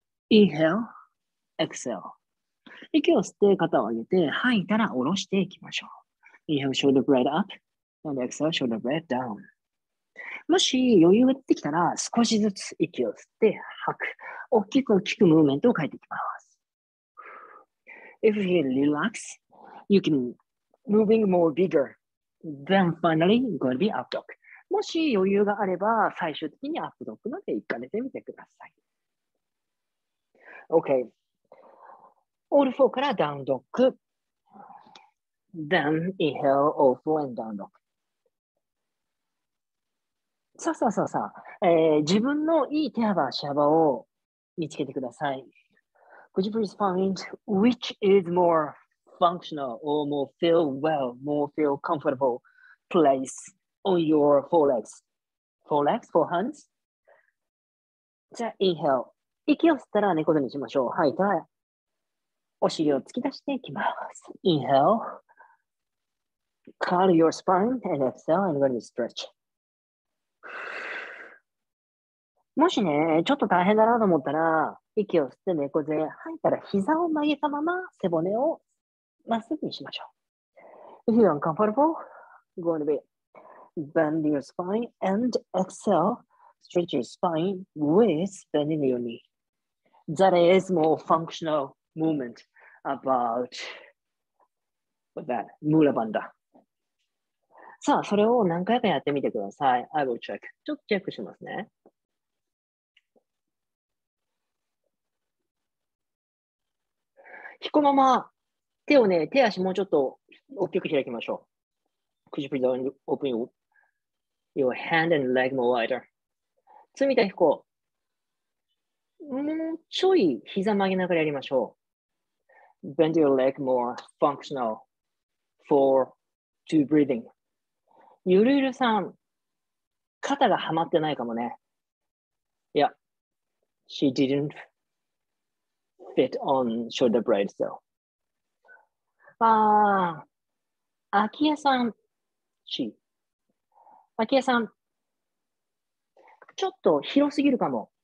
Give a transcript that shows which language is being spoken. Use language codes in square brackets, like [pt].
[en] Inhale, exhale. [ja] 息を吸って肩を上げて吐いたら下ろしていきましょう。 [en] Inhale shoulder blade up and exhale shoulder blade down。 [ja] もし余裕ができたら少しずつ息を吸って吐く。大きく大きくムーブメントを変えていきます。 [en] If you relax, you can moving more bigger. Then finally going to be up dog。 [ja] もし余裕があれば最終的にアップドッグまで行かれてみてください。 OK。 All four からダウンドッグ。 [en] Then inhale, all four and down dog. [ja] さあさあさあさあ、自分のいい手幅、足幅を見つけてください。 [en] Could you please find which is more functional or more feel well, more feel comfortable place on your forelegs? Forelegs, forehands? じゃあ inhale。 [ja] 息を吸ったら猫背にしましょう。吐いたらお尻を突き出していきます。 [en] Inhale, curl your spine and exhale and really stretch. [ja] もしね、ちょっと大変だなと思ったら、息を吸って猫背、吐いたら膝を曲げたまま背骨をまっすぐにしましょう。 [en] If you're uncomfortable, going to be bend your spine and exhale, stretch your spine with bending your knee. That is more functional movement. About that, Mula Banda. [ja] さあ、それを何回かやってみてください。 [en] I will check. [ja] ちょっとチェックしますね。引くまま手をね、手足もうちょっと大きく開きましょう。 [en] Could you please open your hand and leg more wider? [ja] 積み立て引こう。もうちょい膝曲げながらやりましょう。 [en] Bend your leg more functional for two breathing. [ja] ゆるゆるさん、肩がはまってないかもね。 [en] Yeah, she didn't fit on shoulder blades though. [ja] ああ、秋江さん、秋江さん、ちょっと広すぎるかも。